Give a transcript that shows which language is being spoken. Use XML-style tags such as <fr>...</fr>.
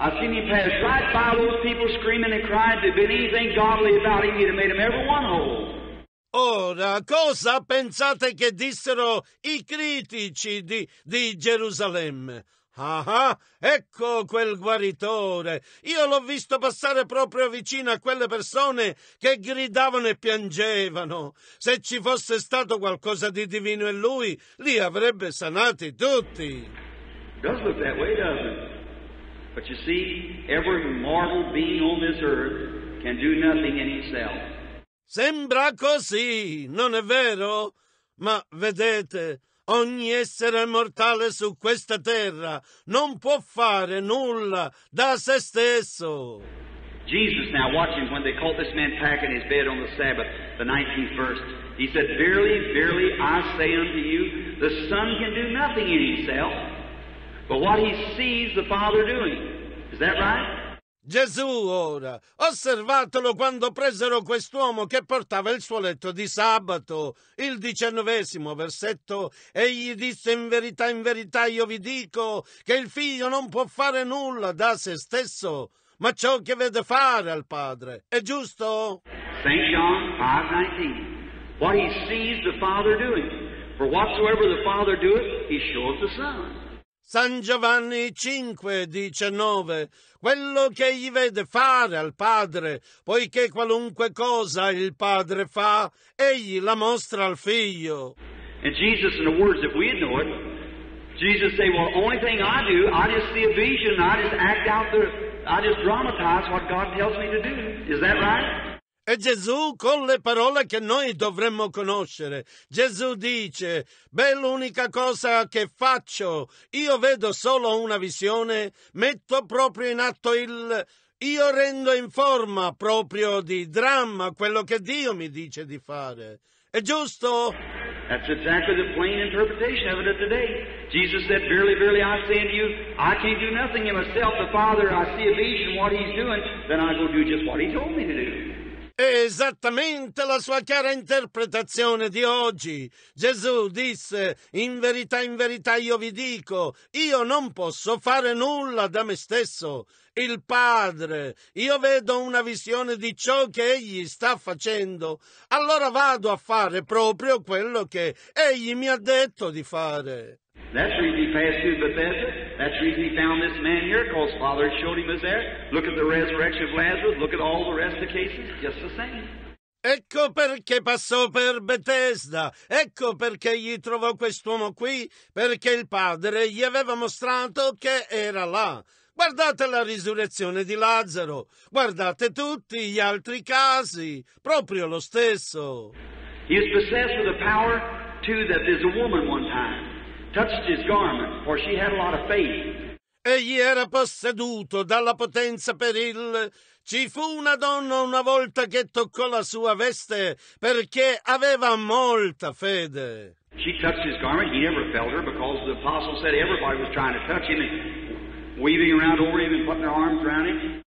<en>I've seen him pass right by those people screaming and crying. There'd been anything godly about him, he'd have made them every one whole.</en> <it>Ora, cosa pensate che dissero i critici di Gerusalemme? Ecco quel guaritore. Io l'ho visto passare proprio vicino a quelle persone che gridavano e piangevano. Se ci fosse stato qualcosa di divino in lui, li avrebbe sanati tutti.</it> <en>Doesn't look that way, does it? But you see, every mortal being on this earth can do nothing in himself.</en> <it>Sembra così, non è vero? Ma vedete, ogni essere mortale su questa terra non può fare nulla da se stesso.</it> <en>Jesus now watching when they caught this man packing his bed on the Sabbath, the 19th verse. He said, verily, verily, I say unto you, the Son can do nothing in himself, but what he sees the Father doing. Is that right?</en> <it>Gesù ora, osservatelo quando presero quest'uomo che portava il suo letto di sabato, il 19° versetto, egli disse in verità io vi dico che il figlio non può fare nulla da se stesso, ma ciò che vede fare al padre, è giusto?</it> <en>St. John 5:19, what he sees the father doing, for whatsoever the father doeth, he showeth the son.</en> <it>San Giovanni 5:19, quello che egli vede fare al Padre, poiché qualunque cosa il Padre fa, egli la mostra al Figlio.</it> <en>And Jesus, in the words that we know it, Jesus say, well, the only thing I do, I just see a vision, I just act out the, I just dramatize what God tells me to do. Is that right?</en> <it>E Gesù, con le parole che noi dovremmo conoscere, Gesù dice, beh, l'unica cosa che faccio, io vedo solo una visione, metto proprio in atto io rendo in forma proprio di dramma quello che Dio mi dice di fare. È giusto?</it> <en>That's exactly the plain interpretation of it today. Jesus said, verily, verily, I say unto you, I can't do nothing in myself, the Father, I see a vision, what he's doing, then I go do just what he told me to do.</en> <it>È esattamente la sua chiara interpretazione di oggi. Gesù disse, in verità io vi dico, io non posso fare nulla da me stesso. Il Padre, io vedo una visione di ciò che egli sta facendo, allora vado a fare proprio quello che egli mi ha detto di fare.</it> <en>That's the reason he passed through Bethesda. That's the reason he found this man here, because Father showed him as there. Look at the resurrection of Lazarus. Look at all the rest of the cases. Just the same.</en> <it>Ecco perché passò per Betesda, ecco perché gli trovò quest'uomo qui, perché il Padre gli aveva mostrato che era là. Guardate la risurrezione di Lazzaro, guardate tutti gli altri casi, proprio lo stesso.</it> <en>He is possessed with the power too that there's a woman one time. Touched his garment, for she had a lot of faith.</en> <it>Egli era posseduto dalla potenza per il. Ci fu una donna una volta che toccò la sua veste perché aveva molta fede.</it> <en>She touched his garment. He never felt her because the apostle said everybody was trying to touch him, and weaving around over him and putting their arms around him.</en>